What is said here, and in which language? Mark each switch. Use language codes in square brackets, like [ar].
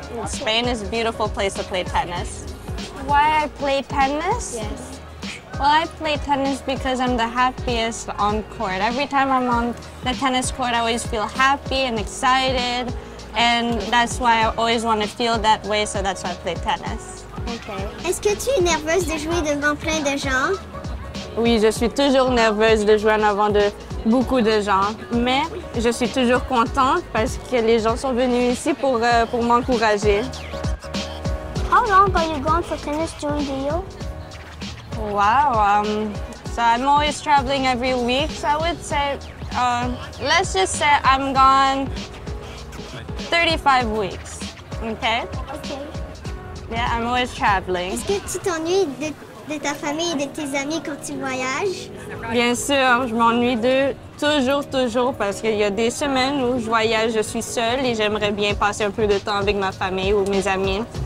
[en] Spain is a beautiful place to play tennis. Why I play tennis? Yes. Well, I play tennis because I'm the happiest on court. Every time I'm on the tennis court, I always feel happy and excited. And that's why I always want to feel that way, so that's why I play tennis. Okay. [fr] Est-ce que tu es nerveuse de jouer devant plein de gens? Oui, je suis toujours nerveuse de jouer en avant de beaucoup de gens, mais je suis toujours contente parce que les gens sont venus ici pour m'encourager. [en] How long are you going for tennis during the year? Wow, so I'm always traveling every week, so I would say, let's just say I'm gone 35 weeks, okay? Okay. Yeah, I'm always traveling. [fr] Est-ce que tu t'ennuies de ta famille et de tes amis quand tu voyages? Bien sûr, je m'ennuie d'eux toujours, toujours, parce qu'il y a des semaines où je voyage, je suis seule et j'aimerais bien passer un peu de temps avec ma famille ou mes amis.